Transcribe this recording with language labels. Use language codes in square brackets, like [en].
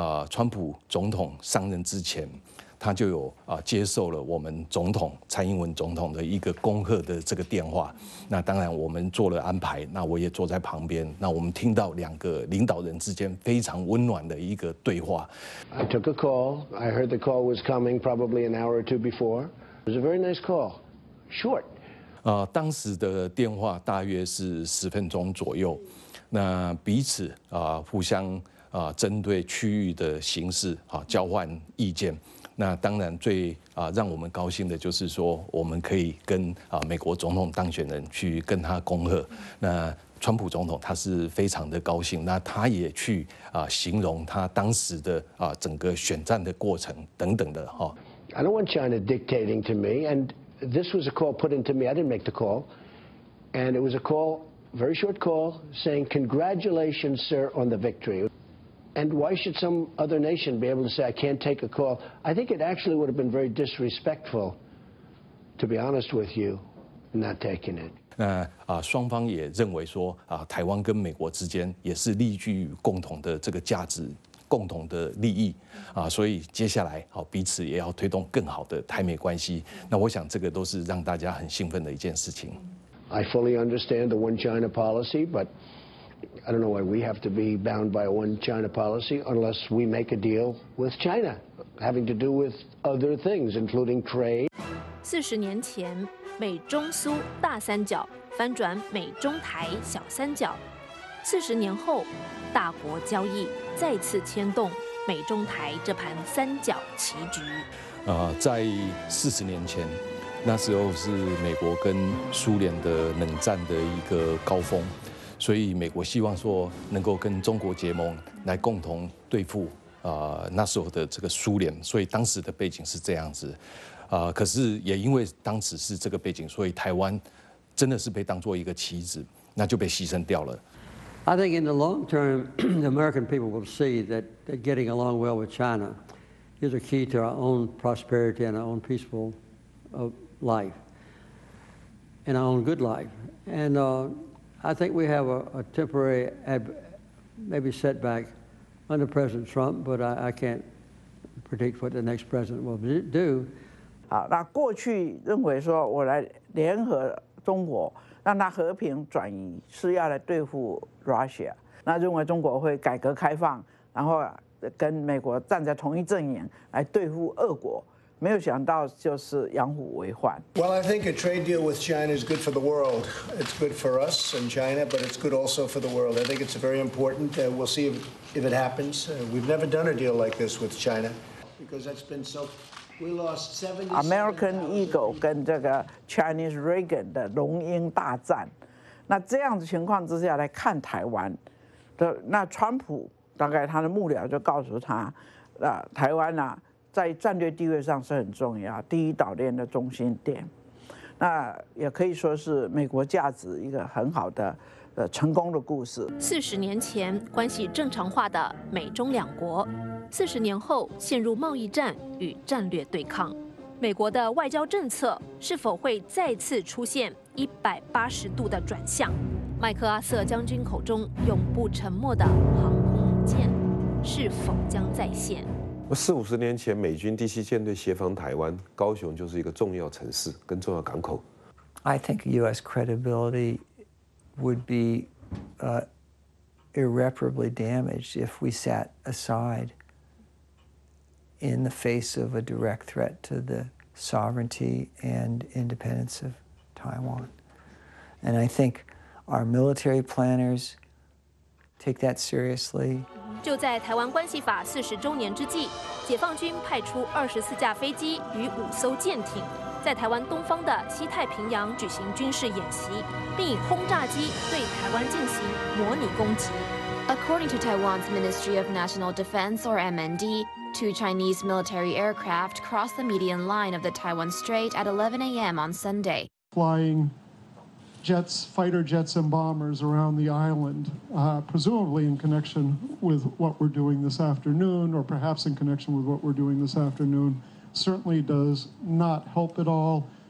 [zh] 川普总统上任之前，他就有接受了我们总统蔡英文总统的一个恭贺的这个电话。那当然我们做了安排，那我也坐在旁边，那我们听到两个领导人之间非常温暖的一个对话。 [en] I took a call. I heard the call was coming probably an hour or two before. It was a very nice call. Short. [zh] 当时的电话大约是10分钟左右，那彼此互相。针对区域的形势交换意见，那当然最让我们高兴的就是说，我们可以跟美国总统当选人去跟他恭贺。那川普总统他是非常的高兴，那他也去形容他当时的整个选战的过程等等的哈。 [en] I don't want China dictating to me, and this was a call put into me. I didn't make the call. And it was a call, very short call, saying, congratulations, sir, on the victory. And why should some other nation be able to say, I can't take a call? I think it actually would have been very disrespectful, to be honest with you, not taking it. [zh] 双方也认为说，台湾跟美国之间也是立据于共同的这个价值，共同的利益，所以接下来彼此也要推动更好的台美关系。那我想这个都是让大家很兴奋的一件事情。 [en] I fully understand the one China policy, but I don't know why we have to be bound by a one China policy unless we make a deal with China, having to do with other things, including trade. [zh] 40年前，美中苏大三角翻转美中台小三角。 40年后，大国交易再次牵动美中台这盘三角棋局。在40年前。那时候是美国跟苏联的冷战的一个高峰，所以美国希望说能够跟中国结盟来共同对付那时候的这个苏联，所以当时的背景是这样子，可是也因为当时是这个背景，所以台湾真的是被当作一个棋子，那就被牺牲掉了。 [en] I think in the long term, the American people will see that getting along well with China is a key to our own prosperity and our own peaceful. Life and our own good life. And I think we have a temporary maybe setback under President Trump, but I can't predict what the next president will do. [zh] 好，那过去认为说我来联合中国，让它和平转移，是要来对付 Russia。那认为中国会改革开放，然后跟美国站在同一阵营来对付俄国。没有想到就是养虎为患。 [en] Well, I think a trade deal with China is good for the world. It's good for us and China, but it's good also for the world. I think it's very important. We'll see if it happens. We've never done a deal like this with China because that's been so. We lost 70. American ego [zh] 跟这个 [en] Chinese Reagan [zh] 的龙鹰大战，那这样的情况之下来看台湾，那川普大概他的幕僚就告诉他，台湾呢、啊？在战略地位上是很重要，第一岛链的中心点，那也可以说是美国价值一个很好的成功的故事。 40年前关系正常化的美中两国，40年后陷入贸易战与战略对抗，美国的外交政策是否会再次出现180度的转向？麦克阿瑟将军口中永不沉默的航空舰是否将再现？ 40-50年前，美军第七舰队协防台湾，高雄就是一个重要城市跟重要港口。 [en] I think U.S. credibility would be irreparably damaged if we sat aside in the face of a direct threat to the sovereignty and independence of Taiwan. And I think our military planners take that seriously. [zh] 就在台湾关系法40周年之际，解放军派出24架飞机与5艘舰艇，在台湾东方的西太平洋举行军事演习，并以轰炸机对台湾进行模拟攻击。 [en] According to Taiwan's Ministry of National Defense, or MND, two Chinese military aircraft crossed the median line of the Taiwan Strait at 11 a.m. on Sunday. Flying. Jets, fighter jets and bombers around the island, presumably in connection with what we're doing this afternoon, or perhaps in connection with what we're doing this afternoon, certainly does not help at all.